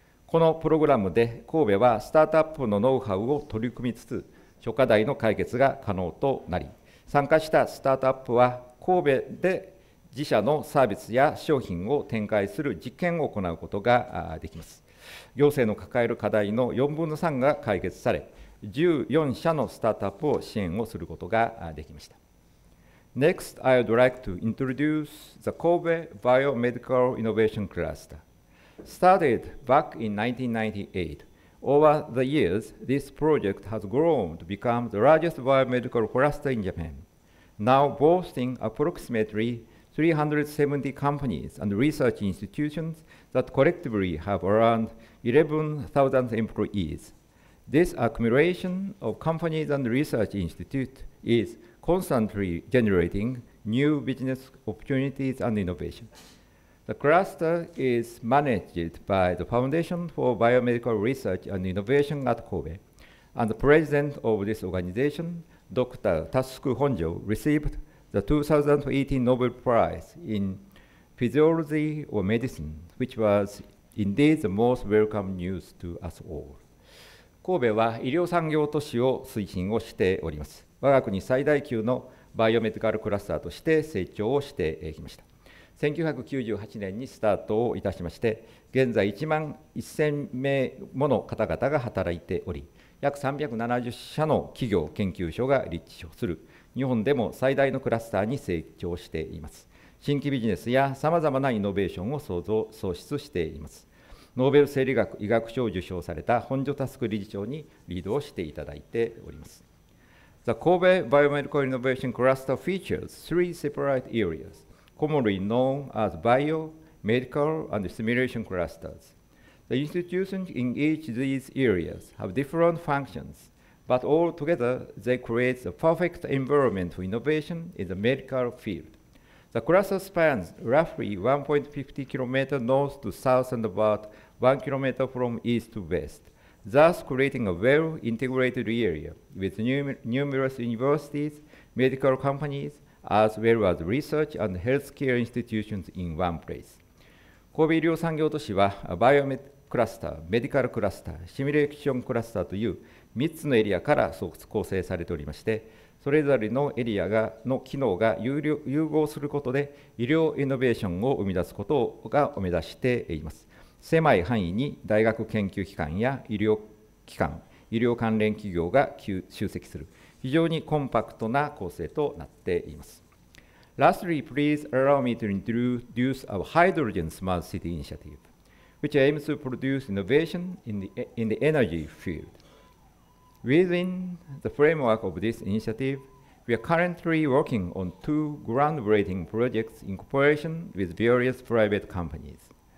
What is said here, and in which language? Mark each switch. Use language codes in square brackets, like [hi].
[ja] このプログラムで、神戸はスタートアップのノウハウを取り組みつつ、諸課題の解決が可能となり、参加したスタートアップは、神戸で自社のサービスや商品を展開する実験を行うことができます。行政の抱える課題の4分の3が解決され、14社のスタートアップを支援をすることができました。 [en] Next, I would like to introduce the Kobe Biomedical Innovation Cluster. Started back in 1998,Over the years, this project has grown to become the largest biomedical cluster in Japan, now boasting approximately 370 companies and research institutions that collectively have around 11,000 employees. This accumulation of companies and research institutes is constantly generating new business opportunities and innovation. The cluster is managed by the Foundation for Biomedical Research and Innovation at Kobe, and the president of this organization, Dr. Tatsuku Honjo, received the 2018 Nobel Prize in Physiology or Medicine, which was indeed the most welcome news to us all. [ja] 神戸は医療産業都市を推進をしております。我が国最大級のバイオメディカルクラスターとして成長をしてきました。 1998年にスタートをいたしまして、現在1万1000名もの方々が働いており、約370社の企業研究所が立地する、日本でも最大のクラスターに成長しています。新規ビジネスやさまざまなイノベーションを創出しています。ノーベル生理学・医学賞を受賞された本庄佑理事長にリードをしていただいております。 [en] The Kobe Biomedical Innovation Cluster features three separate areas. Commonly known as bio, medical, and simulation clusters. The institutions in each of these areas have different functions, But all together, they create the perfect environment for innovation in the medical field. The cluster spans roughly 1.50 kilometers north to south and about 1 kilometer from east to west, thus creating a well-integrated area with numerous universities, medical companies, as well as research and healthcare institutions in one place. [ja] 神戸医療産業都市は、バイオメクラスター、メディカルクラスター、シミュレーションクラスターという3つのエリアから構成されておりまして、それぞれのエリアの機能が融合することで、医療イノベーションを生み出すことが目指しています。狭い範囲に大学研究機関や医療機関、医療関連企業が集積する、非常にコンパクトな構成となっています。 [en] Lastly, please allow me to introduce our Hydrogen Smart City Initiative, which aims to produce innovation in the energy field. Within the framework of this initiative, we are currently working on two groundbreaking projects in cooperation with various private companies.